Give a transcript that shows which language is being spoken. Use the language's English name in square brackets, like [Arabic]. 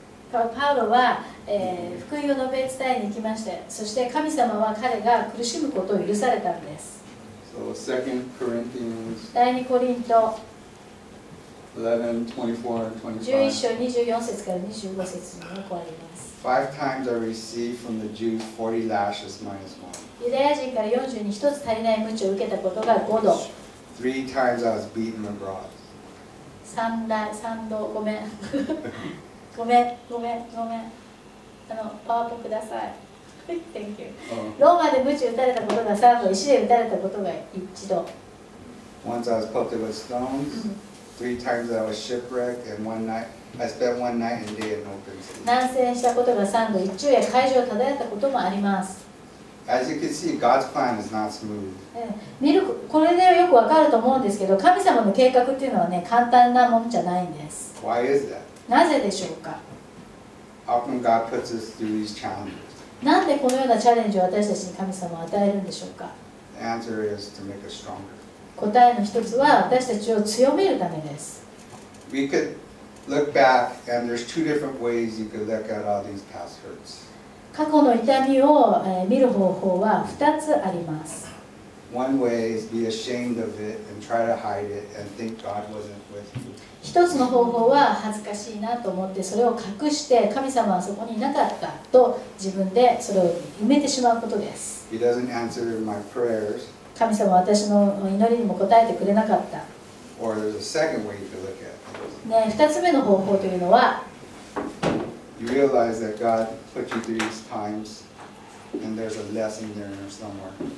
[Japanese] パウロは、福音を述べ伝えに行きまして、そして神様は彼が苦しむことを許されたんです。 [English] So, 2 Corinthians [Japanese] 第2コリント [English] 11:24-25 times I received from the Jews 40 lashes minus 1. [Japanese] ユダヤ人から40に1つ足りない鞭を受けたことが5度。 [English] 3 times I was beaten abroad. [Japanese] 3度ごめんごめん。パワーポください。 [English] Thank you. [Japanese] ローマで鞭打たれたことが3度、石で打たれたことが1度。 [English] Once I was pelted with stones, three times I was shipwrecked, and one night, I spent one night and day in open sea. [Japanese] 難戦したことが3度、一昼夜海上を漂ったこともあります。 [English] As you can see, God's plan is not smooth. [Japanese] 見る、これでよくわかると思うんですけど、神様の計画っていうのはね、簡単なもんじゃないんです。 [English] Why is that? [Japanese] なぜでしょうか。 [English] Often God puts us through these challenges. [Japanese] なんでこのようなチャレンジを私たちに神様は与えるんでしょうか。 [English] The answer is to make us stronger. [Japanese] 答えの一つは私たちを強めるためです。 [English] We could look back and there's two different ways you could look at all these past hurts. [Japanese] 過去の痛みを見る方法は2つあります。 [English] One way is be ashamed of it and try to hide it and think God wasn't with you. [Japanese] 一つの方法は恥ずかしいなと思ってそれを隠して神様はそこにいなかったと自分でそれを埋めてしまうことです。 [English] He doesn't answer my prayers. [Japanese] 神様は私の祈りにも答えてくれなかった。 [English] Or there's a second way you could look at. [Japanese] 二つ目の方法というのは [English] You realize that God put you through these times and there's a lesson there somewhere.